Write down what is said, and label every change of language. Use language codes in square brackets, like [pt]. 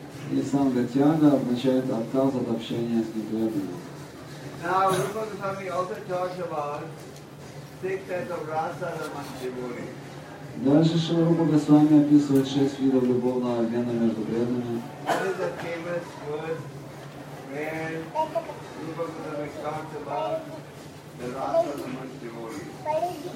[ru] И Санга Тьяга означает отказ от общения с непреданными. [en] Now, Rupa Goswami also talks about six types of rasa among devotees. [ru] Дальше Шрила Рупа Госвами описывает шесть видов любовного обмена между преданными. [en] What is the famous word where Rupa Goswami talks about the rasa among devotees?